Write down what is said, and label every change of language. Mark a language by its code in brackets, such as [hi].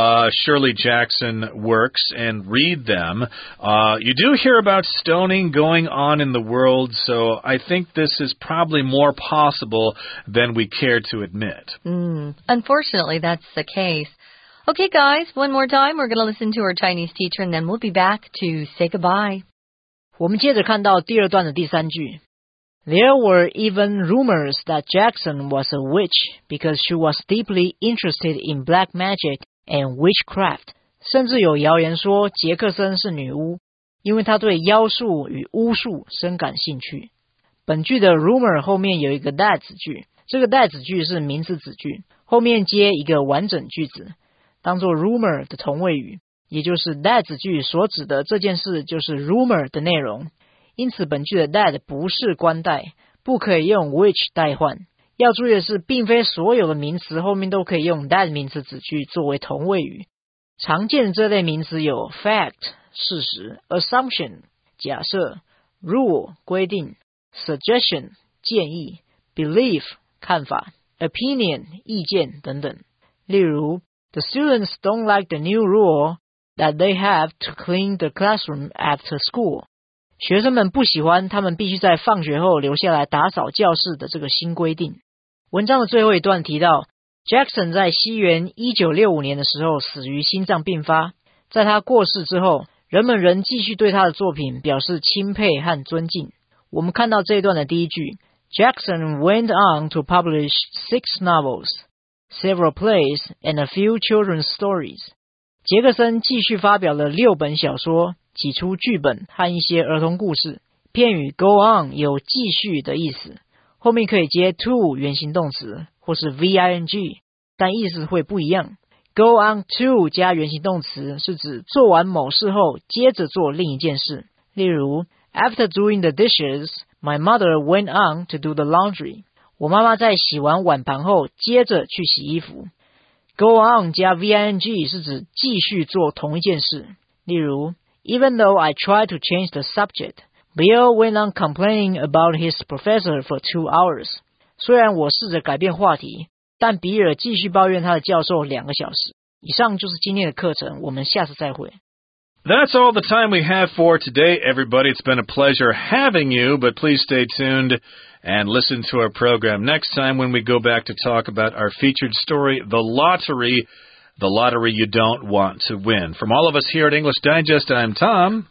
[en] Shirley Jackson works and read them. You do hear about stoning going on in the world, so I think this is probably more possible than we care to admit. Unfortunately, that's the case. Okay, guys, one more time, we're going to listen to our Chinese teacher, and then we'll be back to say goodbye. [zh] 我们接着看到第二段的第三句。 [en] There were even rumors that Jackson was a witch because she was deeply interested in black magic and witchcraft. [zh] 甚至有谣言说杰克森是女巫，因为她对妖术与巫术深感兴趣。本句的 rumor 后面有一个 that 子句，这个 that 子句是名词子句，后面接一个完整句子，当作 rumor 的同位语，也就是 that 子句所指的这件事就是 rumor 的内容。因此本句的 that 不是冠代，不可以用 which 代换。要注意的是，并非所有的名词后面都可以用 that 名词子句作为同位语。常见的这类名词有 fact 事实、 assumption 假设、 rule 规定、 suggestion 建议、 belief 看法、 opinion 意见等等。例如 [en] The students don't like the new rule that they have to clean the classroom after school。 [zh] 学生们不喜欢他们必须在放学后留下来打扫教室的这个新规定。文章的最后一段提到 Jackson 在西元1965年的时候死于心脏病发，在他过世之后，人们仍继续对他的作品表示钦佩和尊敬。我们看到这一段的第一句， [en] Jackson went on to publish 6 novels, several plays and a few children's stories. [zh] 杰克森继续发表了六本小说，几出剧本和一些儿童故事。片语 go on 有继续的意思，后面可以接 to 原形动词或是 ving， 但意思会不一样。 go on to 加原形动词是指做完某事后接着做另一件事。例如 [en] After doing the dishes, my mother went on to do the laundry. [zh] 我妈妈在洗完碗盘后接着去洗衣服。 go on 加 ving 是指继续做同一件事。例如 [en] Even though I tried to change the subject, Bill went on complaining about his professor for 2 hours. [zh] 虽然我试着改变话题，但比尔继续抱怨他的教授两个小时。以上就是今天的课程，我们下次再会。 [en] That's all the time we have for today, everybody. It's been a pleasure having you, but please stay tuned and listen to our program next time when we go back to talk about our featured story, The Lottery. The lottery you don't want to win. From all of us here at English Digest, I'm Tom.